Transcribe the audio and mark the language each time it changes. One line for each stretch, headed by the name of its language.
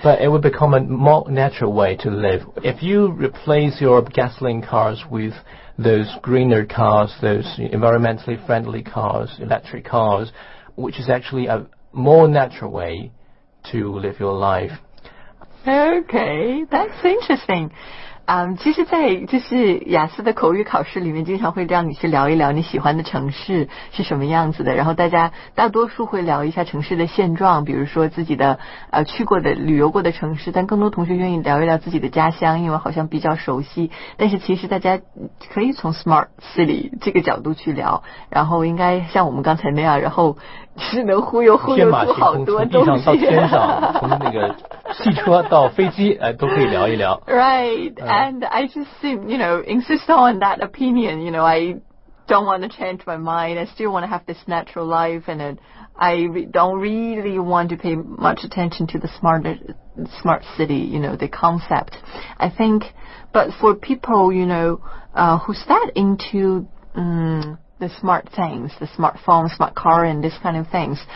English: But it would become a more natural way to live. If you replace your gasoline cars with those greener cars, those environmentally friendly cars, electric cars, which is actually a more natural way to live your life. Okay, that's interesting.
Chinese: 其实在就是雅思的口语考试里面经常会让你去聊一聊你喜欢的城市是什么样子的，然后大家大多数会聊一下城市的现状，比如说自己的去过的旅游过的城市，但更多同学愿意聊一聊自己的家乡，因为好像比较熟悉。但是其实大家可以从 smart city 这个角度去聊，然后应该像我们刚才那样，然后只能忽悠忽悠出好多东西，从地上到天上，从那个汽车到飞机，都可以聊一聊。
English: Right, and I just seem, you know, insist on that opinion. You know, I don't want to change my mind. I still want to have this natural life, and I don't really want to pay much attention to the smart city. You know, the concept. I think, but for people, you know, who's that into, the smart things, the smartphone, smart car, and this kind of things.